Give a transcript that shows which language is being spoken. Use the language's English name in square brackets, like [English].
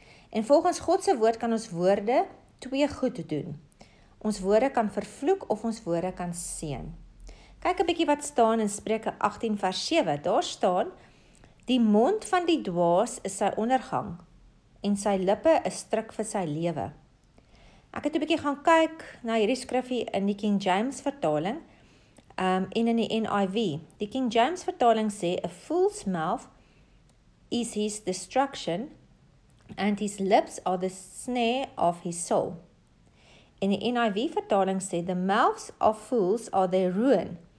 [Afrikaans] En volgens God se woord kan ons woorde twee goed doen. Ons woorde kan vervloek of ons woorde kan seën. Kyk 'n bietjie wat staan in Spreuke 18 vers 7. Daar staan: "Die mond van die dwaas is sy ondergang en sy lippe is struik vir sy lewe." Ek het 'n bietjie gaan kyk na hierdie skrifgie in die King James vertaling en in die NIV. Die King James vertaling sê: [English] "A fool's mouth is his destruction, and his lips are the snare of his soul." [Afrikaans] In die NIV vertaling sê: [English] "The mouths of fools are their ruin.